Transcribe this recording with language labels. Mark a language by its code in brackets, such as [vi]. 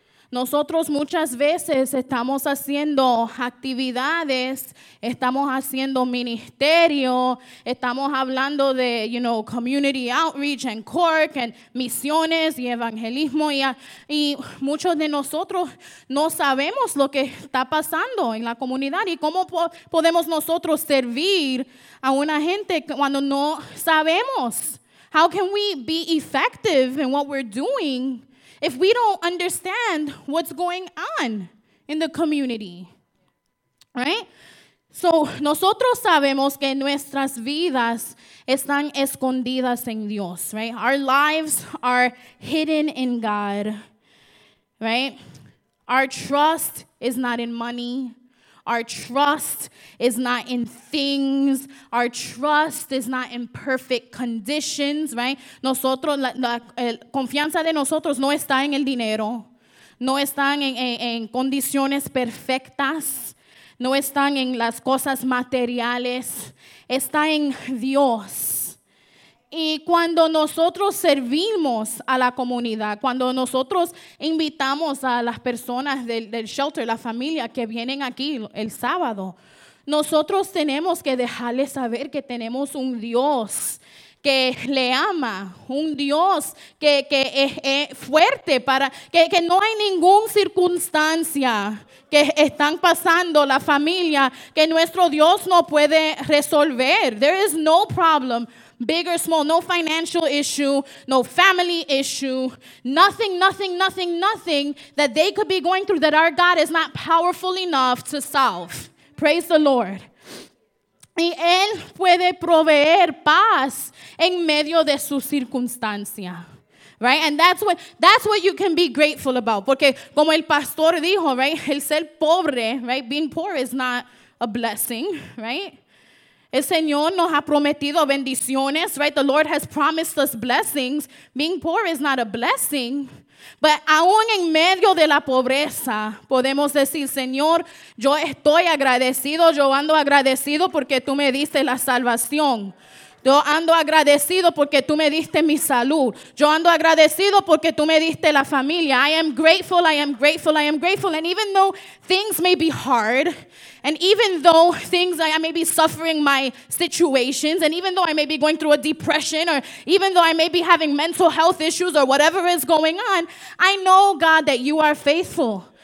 [es] Nosotros muchas veces estamos haciendo actividades, estamos haciendo ministerio, estamos hablando de, [en] you know, community outreach and Cork [es] and misiones y evangelismo. Y muchos de nosotros no sabemos lo que está pasando en la comunidad y cómo podemos nosotros servir a una gente cuando no sabemos. [en] How can we be effective in what we're doing if we don't understand what's going on in the community, right? [es] So, nosotros sabemos que nuestras vidas están escondidas en Dios, right? [en] Our lives are hidden in God, right? Our trust is not in money. Our trust is not in things. Our trust is not in perfect conditions, right? [es] Nosotros, la confianza de nosotros no está en el dinero. No están en condiciones perfectas. No están en las cosas materiales. Está en Dios. Y cuando nosotros servimos a la comunidad, cuando nosotros invitamos a las personas del shelter, la familia que vienen aquí el sábado, nosotros tenemos que dejarles saber que tenemos un Dios que le ama, un Dios que es fuerte, para que no hay ninguna circunstancia que están pasando la familia que nuestro Dios no puede resolver. [en] There is no problem. Big or small, no financial issue, no family issue, nothing that they could be going through that our God is not powerful enough to solve. Praise the Lord. [es] Y Él puede proveer paz en medio de su circunstancia. [en] Right? And that's what you can be grateful about. [es] Porque como el pastor dijo, right? El ser pobre, right? [en] Being poor is not a blessing, right? [es] El Señor nos ha prometido bendiciones, right? [en] The Lord has promised us blessings. Being poor is not a blessing. [es] But aún en medio de la pobreza, podemos decir, Señor, yo estoy agradecido, yo ando agradecido porque tú me diste la salvación. Yo ando agradecido porque tú me diste mi salud. Yo ando agradecido porque tú me diste la familia. [en] I am grateful, I am grateful, I am grateful. And even though things may be hard, and even though things, I may be suffering my situations, and even though I may be going through a depression, or even though I may be having mental health issues or whatever is going on, I know, God, that you are faithful.